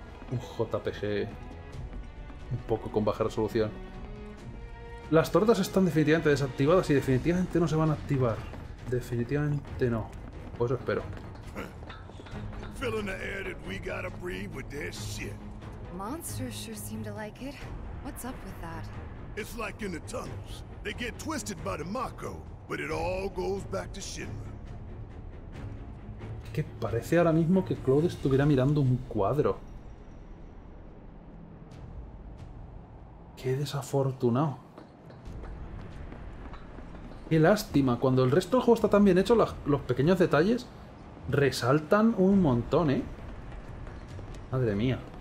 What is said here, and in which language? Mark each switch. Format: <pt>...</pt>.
<es>Un JPG un poco con baja resolución. Las tortas están definitivamente desactivadas y definitivamente no se van a activar. Definitivamente no. Por eso espero.</es> <en>Filling the air that we gotta breathe with this shit. Monsters sure seem to like it. What's up with that? It's like in the tunnels. They get twisted by the Mako, but it all goes back to Shinra.</en> <es>Que parece ahora mismo que Cloud estuviera mirando un cuadro. Qué desafortunado. Qué lástima. Cuando el resto del juego está tan bien hecho, los pequeños detalles resaltan un montón, ¿eh? Madre mía.</es>